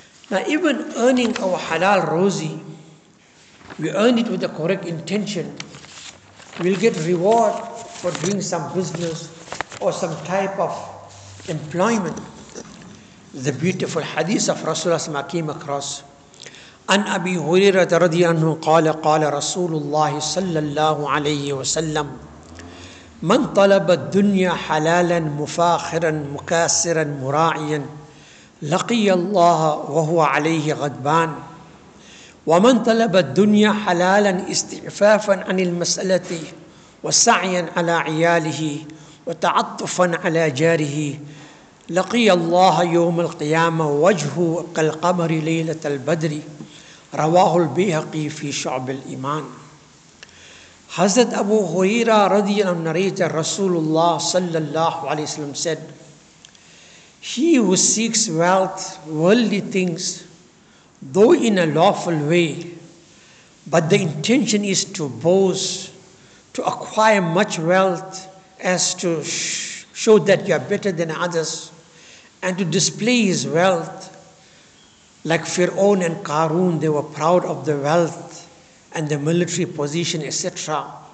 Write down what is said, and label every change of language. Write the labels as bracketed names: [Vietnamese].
[English] Now even earning our halal rosy, we earn it with the correct intention. We'll get reward for doing some business or some type of employment. The beautiful hadith of Rasulullah came across. [Arabic] عن أبي هريرة رضي الله عنه قال قال رسول الله صلى الله عليه وسلم من طلب الدنيا حلالا مفاخرا مكاسرا مراعيا لقي الله وهو عليه غضبان ومن طلب الدنيا حلالا استعفافا عن المسألة وسعيا على عياله وتعطفا على جاره لقي الله يوم القيامة وجهه كالقمر ليلة البدر رواه البيهقي في شعب الإيمان. حضرت أبو هريرة رضي الله عنه نريت رسول الله صلى الله عليه وسلم [English] said, he who seeks wealth, worldly things, though in a lawful way, but the intention is to boast, to acquire much wealth as to show that you are better than others, and to display his wealth, like Fir'aun and Qarun, they were proud of the wealth and the military position, etc.